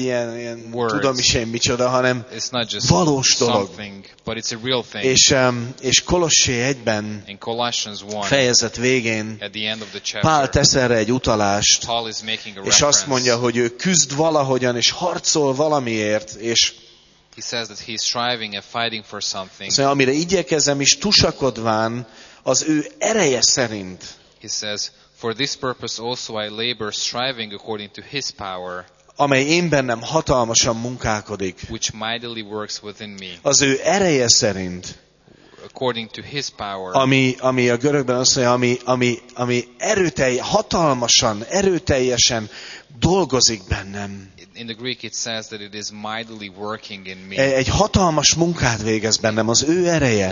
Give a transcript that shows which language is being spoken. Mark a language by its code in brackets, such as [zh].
[hu] ilyen tudom is én micsoda, hanem [en] it's not just [hu] valós dolog. [en] But it's a real thing. [hu] És Kolossé 1-ben, [en] in Colossians 1, [hu] fejezet végén, [en] at the end of the chapter, [hu] Pál tesz erre egy utalást, [en] Paul is making a és reference. [hu] Azt mondja, hogy ő küzd valahogyan, és harcol valamiért, és [en] he says that he's striving and fighting for something. [hu] Szóval, amire igyekezem is tusakodván, az ő ereje szerint. [en] He says, for this purpose also I labor, striving according to his power, [hu] amely én bennem hatalmasan munkálkodik, [en] which mightily works within me, [hu] az ő ereje szerint, [en] according to his power, [hu] ami a görögben azt mondja, ami hatalmasan, erőteljesen dolgozik bennem. [en] In the Greek it says that it is mightily working in me. [hu] Egy hatalmas munkát végez bennem az ő ereje.